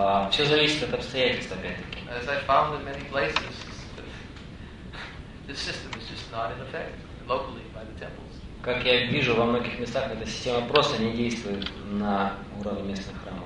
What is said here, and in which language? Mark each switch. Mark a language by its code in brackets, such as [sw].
[ru] Все зависит от обстоятельств, опять-таки. [en] As I found in many places, this system is just not in effect locally by the temples. [ru] Как я вижу, во многих местах эта система просто не действует на уровне местных храмов.